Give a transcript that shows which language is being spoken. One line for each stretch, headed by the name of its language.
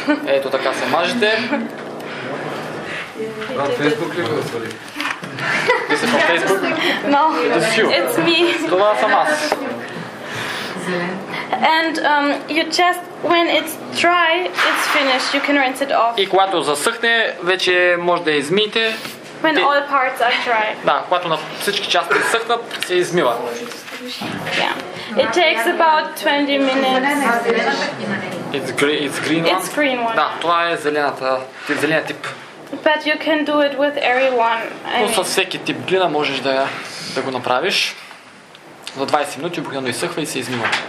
Bulgarian: Ето така се мажете. На Фейсбук ли го отвори? Ти си на Фейсбук?
English: No, it's me.
Bulgarian: Това съм аз.
English: And you just, when it's dry, it's finished. You can rinse it off.
Bulgarian: И когато засъхне, вече може да измиете.
English: When all parts are dry.
Bulgarian: Да, когато на всички части съхнат, се измива.
English: Yeah. It takes about 20 minutes. It's green one. It's green one.
Bulgarian: Да, това е зелената, зеления тип.
English: But you can do it with everyone.
Bulgarian: Но със всеки тип глина можеш да го направиш. За 20 минути обикновено изсъхва и се измива.